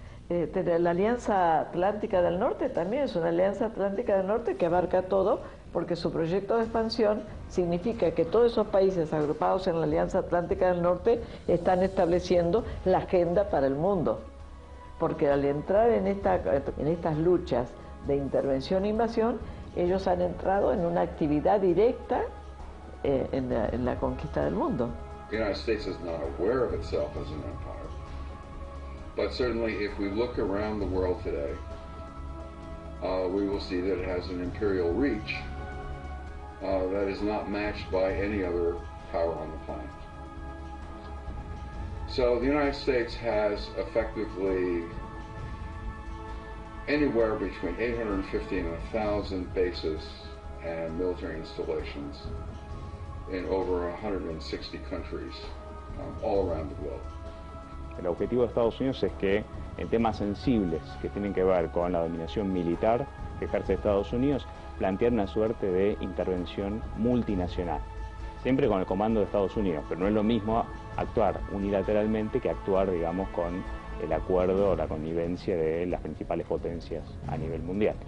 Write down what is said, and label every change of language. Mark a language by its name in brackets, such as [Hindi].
[Spanish] La Alianza Atlántica del Norte también es una Alianza Atlántica del Norte que abarca todo, porque su proyecto de expansión significa que todos esos países agrupados en la Alianza Atlántica del Norte están estableciendo la agenda para el mundo. Porque al entrar en estas luchas de intervención e invasión, ellos han entrado en una actividad directa en la conquista del mundo. [English] The United States is not aware of itself as an empire. But certainly if we look around the world today, we will see that it has an imperial reach that is not matched by any other power on the planet. So the United States has effectively anywhere between 850 and 1,000 bases and military installations in over 160 countries all around the globe. [Spanish] El objetivo de Estados Unidos es que en temas sensibles que tienen que ver con la dominación militar que ejerce Estados Unidos, plantear una suerte de intervención multinacional, siempre con el comando de Estados Unidos, pero no es lo mismo actuar unilateralmente que actuar, digamos, con el acuerdo o la connivencia de las principales potencias a nivel mundial.